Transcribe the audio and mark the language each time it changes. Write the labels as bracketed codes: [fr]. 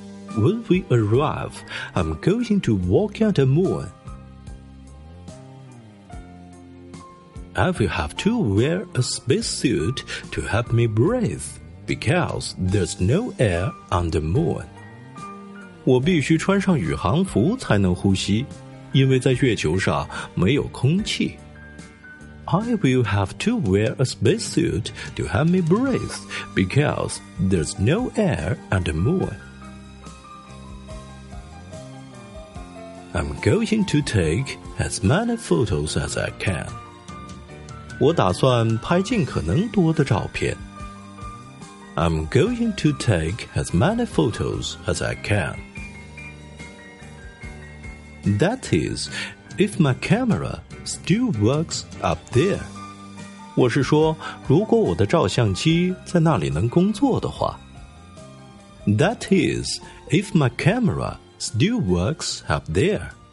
[en] When we arrive, I'm going to walk on the moon. I will have to wear a space suit to help me breathe, because there's no air on the moon. [zh] 我必须穿上宇航服才能呼吸，因为在月球上没有空气。 [en] I will have to wear a space suit to help me breathe, because there's no air on the moon. I'm going to take as many photos as I can. [zh] 我打算拍尽可能多的照片。 [en] I'm going to take as many photos as I can. That is, if my camera still works up there. [zh] 我是说，如果我的照相机在那里能工作的话。 [en] That is, if my camera still works up there.